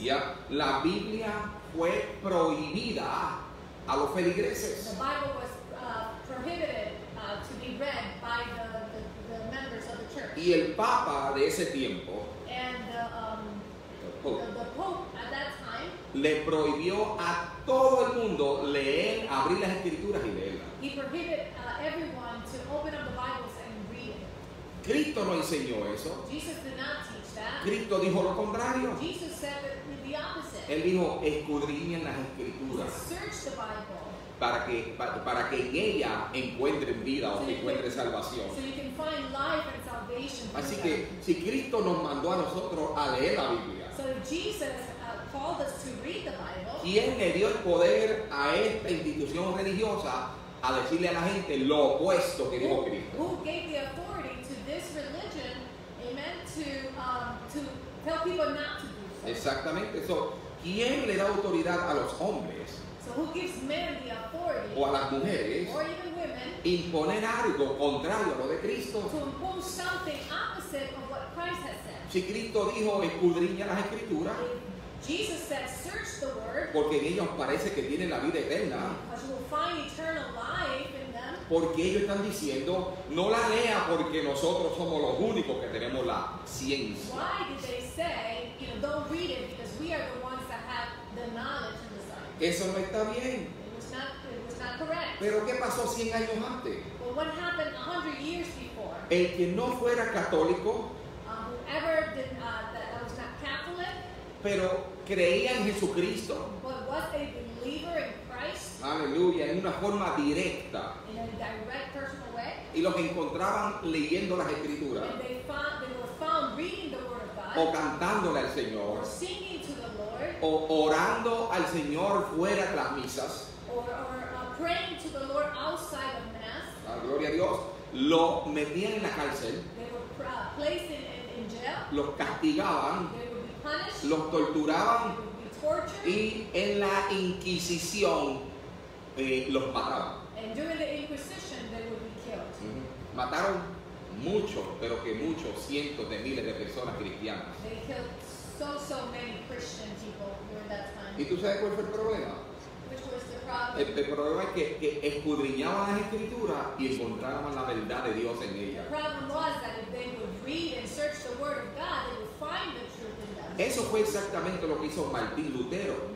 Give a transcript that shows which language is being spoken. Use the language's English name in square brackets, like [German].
[Spanish] Yeah, la Biblia fue prohibida a los feligreses. [English] The Bible was prohibited to be read by the members of the church. [Spanish] Y el Papa de ese tiempo, [English] the Pope at that time, [Spanish] le prohibió a todo el mundo leer, abrir las escrituras y leerlas. [English] He prohibited everyone to open up the Bibles and read it. [Spanish] Cristo no enseñó eso. [English] Jesus did not teach that. [Spanish] Cristo dijo lo contrario. [English] Jesus said the opposite. [Spanish] Él dijo, escudriñen las escrituras. [English] Search the Bible. [Spanish] Para que en ella encuentren vida o encuentren salvación. [English] So you can find life and salvation. [Spanish] Así que si Cristo nos mandó a nosotros a leer la Biblia, [English] so Jesus called us to read the Bible, [Spanish] ¿quién le dio el poder a esta institución religiosa a decirle a la gente lo opuesto que dijo Cristo? [English] Who gave the authority to this religion, amen, to tell people not to do so? [Spanish] Exactamente. So, ¿quién le da autoridad a los hombres? [English] So who gives men the authority, [Spanish] o a las mujeres, [English] or even women, [Spanish] imponer algo contrario a lo de Cristo? [English] To impose something opposite of what Christ has said. [Spanish] Si Cristo dijo, escudriña las escrituras, [English] Jesus said, search the word, [Spanish] porque en ellos parece que tienen la vida eterna, [English] because you will find eternal life in them. [Spanish] Porque ellos están diciendo, no la lea porque nosotros somos los únicos que tenemos la ciencia. [English] Why did they say, you know, don't read it because we are the ones that have the knowledge? [Spanish] Eso no está bien. [English] It was not correct. [Spanish] Pero ¿qué pasó 100 años antes? [English] Well, what happened 100 years before? [Spanish] El que no fuera católico, [English] whoever did, that was not Catholic, [Spanish] pero creía en Jesucristo, [English] but was a believer in Christ, [Spanish] aleluya, en una forma directa, [English] in a direct personal way, [Spanish] y los encontraban leyendo las escrituras, [English] and they were found reading the word of God, [Spanish] o cantándole al Señor, [English] or singing to the Lord, [Spanish] o orando al Señor fuera de las misas, [English] praying to the Lord outside of mass, [Spanish] la gloria a Dios, lo metían en la cárcel, [English] they were placed in jail, [Spanish] los castigaban, [English] they would be punished, [Spanish] los torturaban, [English] they would be tortured, [Spanish] y en la Inquisición los mataban. [English] And during the Inquisition, they would be killed. Mm-hmm. [Spanish] Mataron muchos, pero que muchos, cientos de miles de personas cristianas. [English] They killed so many Christian people during that time. [Spanish] ¿Y tú sabes cuál fue el problema? [English] Which was the problem? [Spanish] El problema es que escudriñaban las escrituras y encontraban la verdad de Dios en ellas. [English] The problem was that if they would read and search the word of God, they would find the truth in them. [Spanish] Eso fue exactamente lo que hizo Martín Lutero.